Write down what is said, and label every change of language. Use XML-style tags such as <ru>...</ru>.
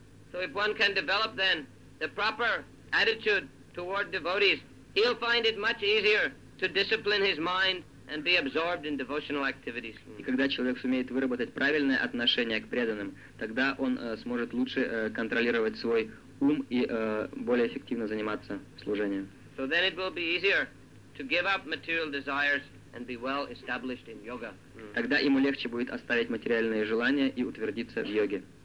<en>So if one can develop then the proper attitude toward devotees, he'll find it much easier to discipline his mind and be absorbed in devotional activities.</en> <ru>И когда человек сумеет выработать правильное отношение к преданным, тогда он сможет лучше контролировать свой ум и более эффективно заниматься служением.</ru> <en>So then it will be easier to give up material desires and be well established in yoga.</en> <ru>Тогда ему легче будет оставить материальные желания и утвердиться в йоге.</ru>